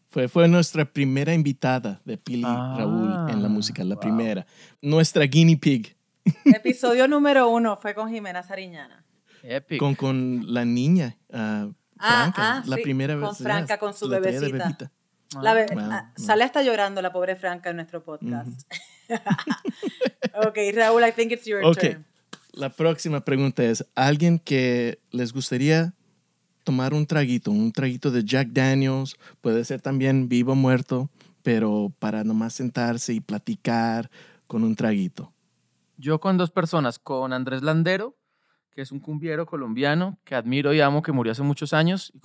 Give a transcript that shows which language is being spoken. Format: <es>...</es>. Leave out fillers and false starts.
<es>Fue nuestra primera invitada de Pili Raúl en la música, la primera. Nuestra</es> <en>guinea pig.</en> <es>Episodio número 1 fue con Jimena Sariñana.</es> <en>Epic.</en> <es>Con la niña, Franca, la primera vez. Con Franca, con su bebecita. Sale hasta llorando la pobre Franca en nuestro podcast.</es> <en>Okay, Raúl, I think it's your turn.</en> <es>La próxima pregunta es, ¿alguien que les gustaría tomar un traguito de Jack Daniels? Puede ser también vivo o muerto, pero para nomás sentarse y platicar con un traguito. Yo con dos personas, con Andrés Landero, que es un cumbiero colombiano que admiro y amo, que murió hace muchos años.</es>